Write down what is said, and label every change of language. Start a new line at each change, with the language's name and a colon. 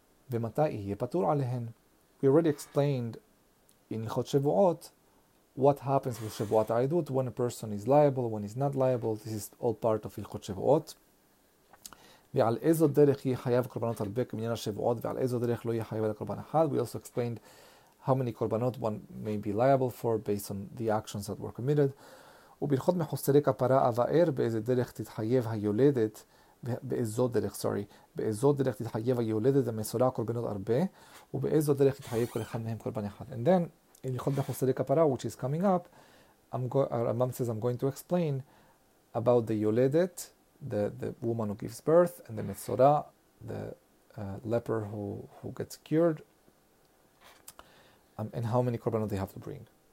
Hebrew: ומתי יהיה פטור עליהן?
English: We already explained in הלכות שבועות what happens with שבועת העדות, when a person is liable, when he's not liable. This is all part of הלכות שבועות.
Hebrew: ועל איזו דרך יהיה חייב קורבנות הרבה כמניין השבועות, ועל איזו דרך לא יהיה חייב אלא קורבן אחד.
English: We also explained how many korbanot one may be liable for based on the actions that were committed.
Hebrew: ובלכות מחוסרי כפרה אבאר באיזה דרך תתחייב היולדת, באיזו דרך תתחייב היולדת המסורה קורבנות הרבה, ובאיזו דרך תתחייב כל אחד מהם קורבן אחד.
English: And then, in לכות מחוסרי כפרה, which is coming up, Rambam says, I'm going to explain about the yoledet, the woman who gives birth, and the metzora, the leper who gets cured, and how many korbanot they have to bring.